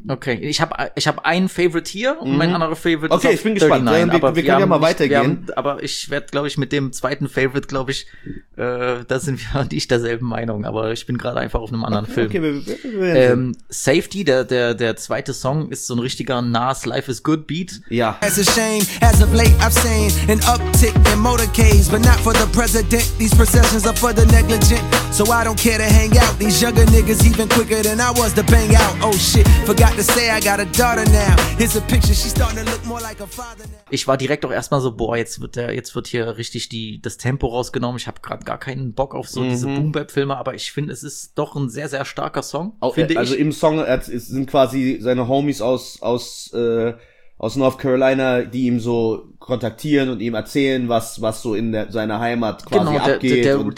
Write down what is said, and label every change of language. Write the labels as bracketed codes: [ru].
[de] Okay, ich hab einen Favorite hier und mein anderer Favorite ist auf 39. Okay, ich bin gespannt. Wir können ja mal weitergehen. Aber ich werde, glaube ich, mit dem zweiten Favorite, glaube ich, da sind wir und ich derselben Meinung. Aber ich bin gerade einfach auf einem anderen Film. Okay, Safety, der zweite Song, ist so ein richtiger Nas Life is Good Beat. Ja. [en] As a shame, as of late I've seen an uptick in motorcades, but not for the president. These processions are for the negligent, so I don't care to hang out. These younger niggas even quicker than I was to bang out. Oh shit, forgot to say I got a daughter now. Here's a picture, she's starting to look more like a father now. [de] Ich war direkt auch erstmal so, boah, jetzt wird hier richtig das Tempo rausgenommen. Ich habe gerade gar keinen Bock auf so diese Boom-Bap-Filme, aber ich finde, es ist doch ein sehr, sehr starker Song. Im Song sind quasi seine Homies aus North Carolina, die ihm so kontaktieren und ihm erzählen, was so in seiner Heimat quasi abgeht.